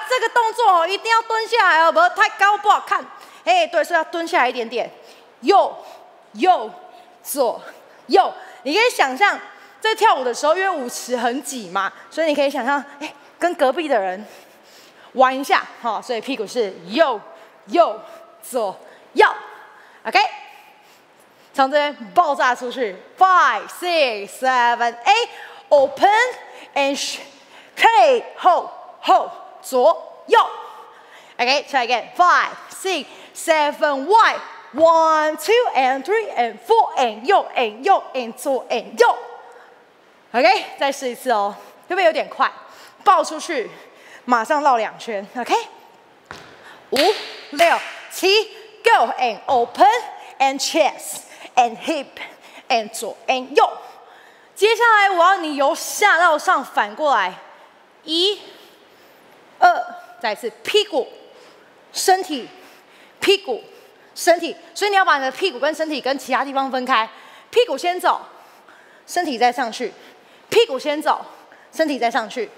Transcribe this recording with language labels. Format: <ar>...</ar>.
<zh>这个动作哦，一定要蹲下来哦，不然太高不好看。哎，对，是要蹲下来一点点，右、右、左、右。你可以想象在跳舞的时候，因为舞池很挤嘛，所以你可以想象，哎，跟隔壁的人玩一下哈、哦。所以屁股是右、右、左、右 ，OK。从这边爆炸出去</zh> <en>，five six seven eight，open and hey hold hold 左右 ，OK try again five six seven wide one two and three and four and 右 and 右 and 左 and 右 ，OK</en> <zh>再试一次哦，会不会有点快？爆出去，马上绕两圈 ，OK， 五六七</zh> <en>go and open and chest。 And hip, and 左 and 右。</en> <zh>接下来我要你由下到上反过来，一、二，再一次屁股、身体、屁股、身体。所以你要把你的屁股跟身体跟其他地方分开，屁股先走，身体再上去，屁股先走，身体再上去。</zh>